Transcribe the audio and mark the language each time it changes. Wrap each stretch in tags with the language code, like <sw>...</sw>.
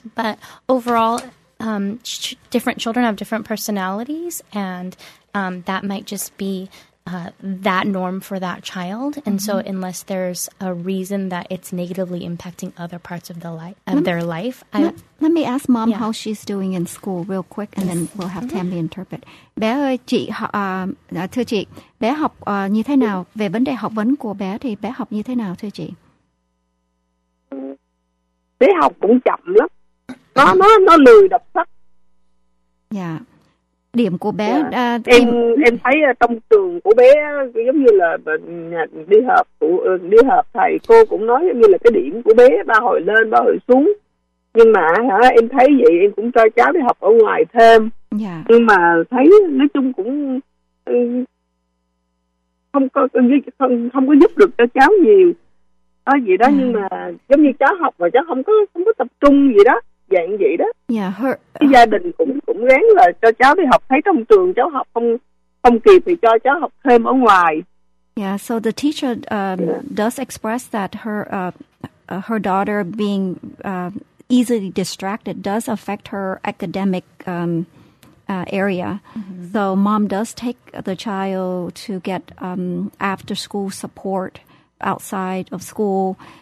<en>But overall, different children have different personalities, and that might just be that norm for that child. And so unless there's a reason that it's negatively impacting other parts of the their life. Let me ask mom how she's doing in school real quick, and then we'll have Tammy interpret.</en> <vi>Bé ơi, chị, thưa chị, bé học như thế nào? Về vấn đề học vấn của bé thì bé học như thế nào, thưa chị? Bé học cũng chậm lắm. Nó lười đọc sách. Dạ. Điểm của bé em thấy trong trường của bé giống như là đi họp thầy cô cũng nói giống như là cái điểm của bé ba hồi lên ba hồi xuống. Nhưng mà em thấy vậy em cũng cho cháu đi học ở ngoài thêm. Dạ. Nhưng mà thấy nói chung cũng không có giúp được cho cháu nhiều. Đó vậy đó, nhưng mà giống như cháu học mà cháu không có tập trung gì đó. Dạng vậy đó.</vi> <en>Yeah, her,</en> <vi>cái gia đình cũng ráng là cho cháu đi học, thấy trong trường cháu học không kịp thì cho cháu học thêm ở ngoài.</vi> <en>Yeah, so the teacher does express that her her daughter being easily distracted does affect her academic area. Mm-hmm. So mom does take the child to get after-school support outside of school.</en>